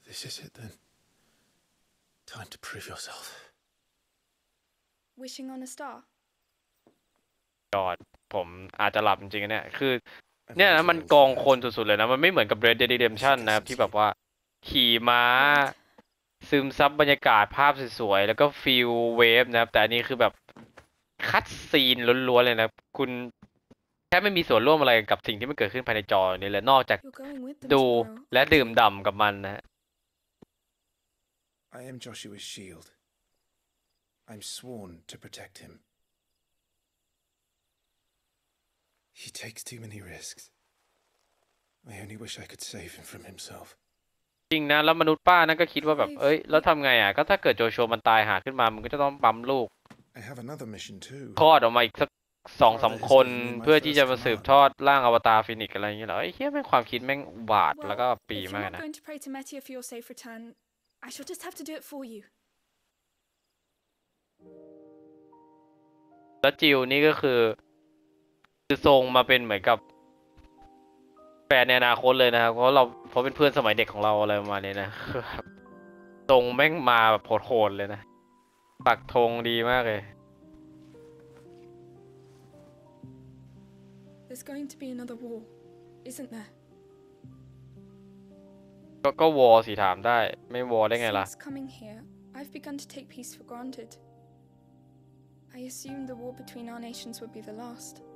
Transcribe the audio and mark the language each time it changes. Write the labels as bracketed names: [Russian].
[English] This is it then Time to prove yourself Wishing on a star [Thai] ยอดผมอาจจะหลับจริงๆเนี่ยคือเนี่ยนะมันกองคนสุดๆเลยนะมันไม่เหมือนกับ Red Dead Redemption นะครับที่แบบว่าขี่ม้าซึมซับบรรยากาศภาพสวยๆแล้วก็ฟีลเวฟนะครับแต่อันนี้คือแบบคัดซีนล้วนๆเลยนะคุณแค่ไม่มีส่วนร่วมอะไรกับสิ่งที่มันเกิดขึ้นภายในจอนี้เลยนอกจากดูและดื่มด่ำกับมันนะฮะ [English] I am Joshua's shield. I'm sworn to protect him. He takes too many risks. I only wish I could save him from himself. [Thai] จริงนะแล้วมนุษย์ป้านั่นก็คิดว่าแบบเอ้ยแล้วทำไงอ่ะก็ถ้าเกิดโจชัวมันตายหาขึ้นมามันก็จะต้องปั๊มลูก [English] I have another mission too. [Thai] คลอดออกมาอีกสัก 2-3 คนเพื่อที่จะมาสืบทอดร่างอวตารฟีนิกซ์อะไรอย่างเงี้ยเหรอไอ้เหี้ยแม่งความคิดแม่งบาดแล้วก็ปีมากนะ [English] I'm going to pray to Metia for your safe return. I shall just have to do it for you. [Thai] แล้วจิลนี่ก็คือทรงมาเป็นเหมือนกับแฟนในอนาคตเลยนะครับเพราะเป็นเพื่อนสมัยเด็กของเราอะไรประมาณนี้นะทรงแม่งมาแบบโหดๆเลยนะปักธงดีมากเลย [English] There's going to be another war, isn't there? [Thai] ก็วอสิถามได้ไม่วอได้ไงล่ะ [English] Since coming here, I've begun to take peace for granted. I assumed the war between our nations would be the last.